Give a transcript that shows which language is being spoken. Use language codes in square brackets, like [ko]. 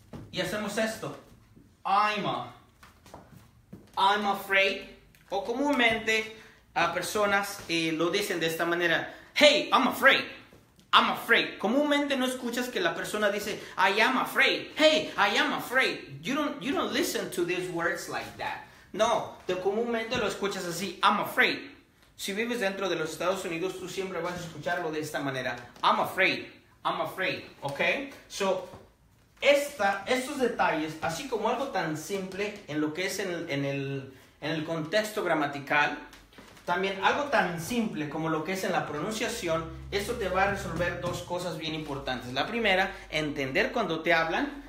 [es] Y hacemos esto. [en] I'm afraid. [es] O comúnmente a personas lo dicen de esta manera. [en] Hey, I'm afraid. [es] Comúnmente no escuchas que la persona dice, [en] I am afraid. Hey, I am afraid. You don't listen to these words like that. [es] No, de comúnmente lo escuchas así, [en] I'm afraid. [es] Si vives dentro de los Estados Unidos, tú siempre vas a escucharlo de esta manera. [en] I'm afraid, [es] ¿ok? So, estos detalles, así como algo tan simple en lo que es en el contexto gramatical, también algo tan simple como lo que es en la pronunciación, esto te va a resolver dos cosas bien importantes. La primera, entender cuando te hablan,